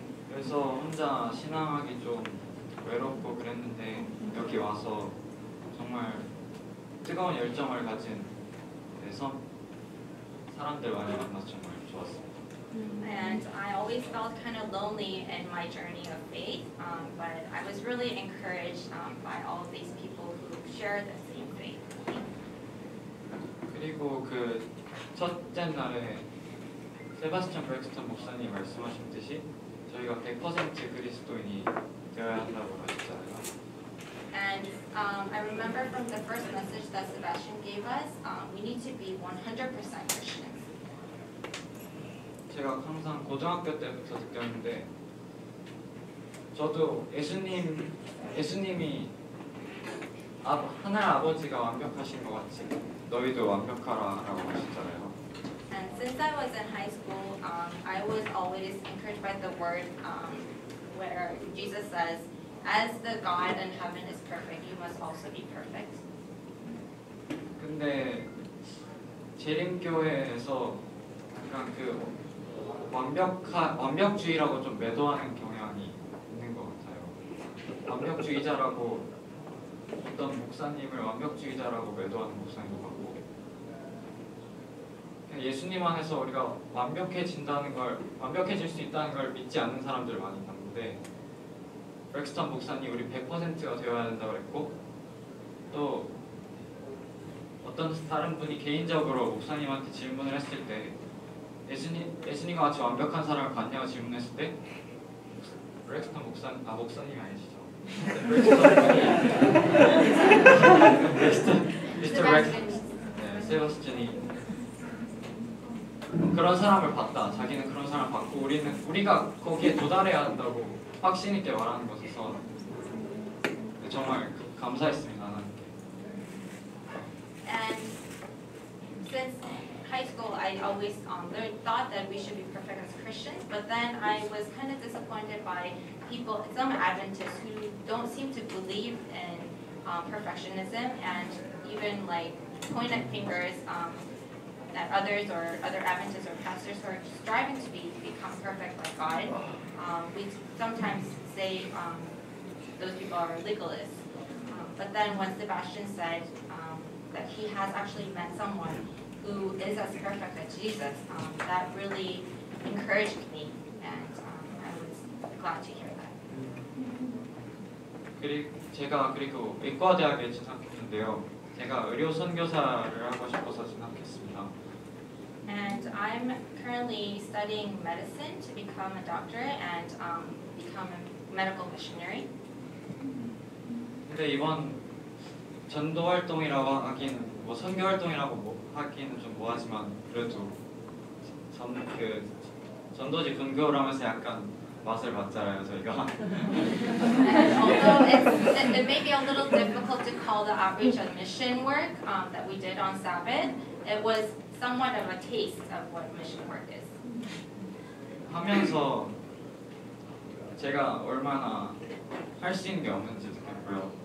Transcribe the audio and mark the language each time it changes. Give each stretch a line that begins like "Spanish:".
Korean: 그래서 혼자 신앙하기 좀 외롭고 그랬는데 여기 와서 정말 뜨거운 열정을 가진 사람들 많이 만나서 정말 좋았습니다.
English: And I always felt kind of lonely in my journey of faith, but I was really encouraged by all of these people who share the same faith.
Korean: 그리고 그 첫째 날에 세바스찬 브렉스턴 목사님 말씀하셨듯이 저희가 100% 그리스도인이 되어야 한다고 하셨잖아요.
English: And I remember from the first message that Sebastian gave us, we need to be 100% Christians.
Korean: 제가 항상 고등학교 때부터 느꼈는데 저도 예수님이 하늘 아버지가 완벽하신 것 같이 너희도 완벽하라라고 하셨잖아요.
English: And since I was in high school, I was always encouraged by the word where Jesus says, As the God in heaven is perfect, you must also be perfect.
Korean: 근데 재림 교회에서 그냥 그 완벽주의라고 좀 매도하는 경향이 있는 것 같아요. 완벽주의자라고 어떤 목사님을 완벽주의자라고 매도하는 목사인 것 같고 그냥 예수님 안에서 우리가 완벽해질 수 있다는 걸 믿지 않는 사람들 많이 봤는데 브렉스턴 목사님 우리 100%가 되어야 된다고 그랬고 또 어떤 다른 분이 개인적으로 목사님한테 질문을 했을 때 예수님과 같이 완벽한 사람을 봤냐고 질문했을 때 브렉스턴 목사님 목사님이 아니시죠 브렉스턴 미스터 브렉스턴 세바스찬이 그런 사람을 봤다 자기는 그런 사람을 봤고 우리가 거기에 도달해야 한다고 확신 있게 말하는 것에서 정말 감사했습니다.
English: And since high school, I always thought that we should be perfect as Christians, but then I was kind of disappointed by people, some Adventists who don't seem to believe in perfectionism and even like point at fingers at others or other Adventists or pastors who are striving to become perfect like God. We sometimes say those people are legalists. But then when Sebastian said that he has actually met someone who is as perfect as Jesus, that really encouraged me, and I was glad to hear that.
Korean: 제가 그리고 의과대학에 진학했는데요. 제가 의료 선교사를 하고 싶어서 진학했습니다.
English: And I'm currently studying medicine to become a doctor and become a medical missionary.
Korean: 근데 이번 전도 활동이라고 하기는 뭐 선교 활동이라고 하기는 좀 뭐하지만 그래도 그 전도지 근교를 하면서 약간 맛을 봤잖아요 저희가.
English: Although it may be a little difficult to call the outreach and mission work that we did on Sabbath, it was somewhat of a taste of what mission work is.
Korean: 하면서 제가 얼마나 할 수 있는 게 없는지 느꼈고요.